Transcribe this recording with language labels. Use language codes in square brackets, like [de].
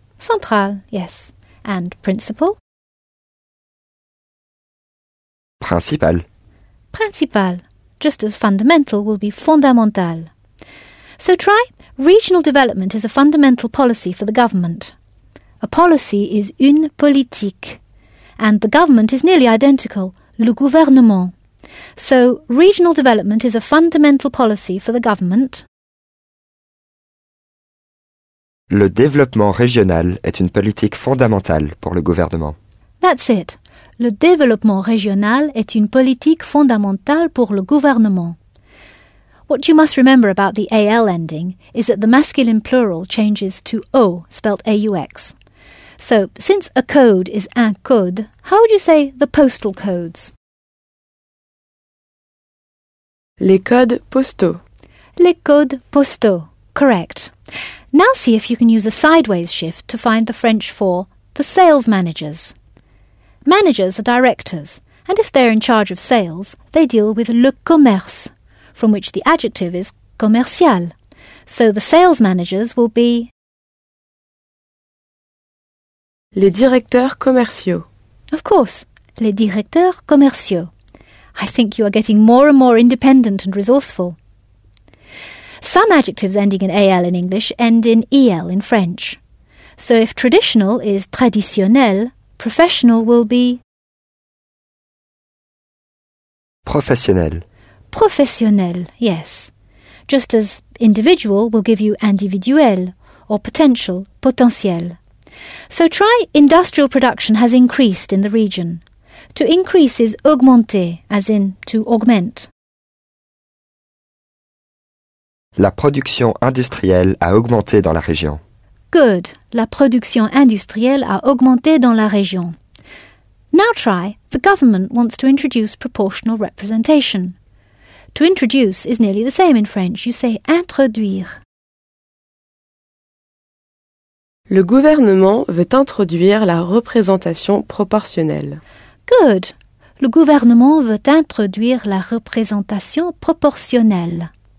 [en] Central, yes. And principal? Principal. Principal, just as fundamental will be fondamental. So try, regional development is a fundamental policy for the government. A policy is [fr] une politique. [en] And the government is nearly identical, [fr] le gouvernement. [en] So regional development is a fundamental policy for the government. [fr] Le développement régional est une politique fondamentale pour le gouvernement. [en] That's it. [fr] Le développement régional est une politique fondamentale pour le gouvernement. [en] What you must remember about the AL ending is that the masculine plural changes to O, spelt A-U-X. So, since a code is [fr] un code, [en] how would you say the postal codes? [fr] Les codes postaux. Les codes postaux, correct. [en] Now see if you can use a sideways shift to find the French for the sales managers. Managers are directors, and if they're in charge of sales, they deal with [fr] le commerce, [en] from which the adjective is commercial. So the sales managers will be [fr] les directeurs commerciaux. [en] Of course, [fr] les directeurs commerciaux. [en] I think you are getting more and more independent and resourceful. Some adjectives ending in AL in English end in EL in French. So if traditional is traditionnel, professional will be [fr] professionnel. [en] Professionnel, yes. Just as individual will give you individuel or potential, potentiel. So try industrial production has increased in the region. To increase is augmenter, as in to augment. [fr] La production industrielle a augmenté dans la région. [en] Good. [fr] La production industrielle a augmenté dans la région. [en] Now try. The government wants to introduce proportional representation. To introduce is nearly the same in French. You say introduire. [fr] Le gouvernement veut introduire la représentation proportionnelle. [en] Good. [fr] Le gouvernement veut introduire la représentation proportionnelle.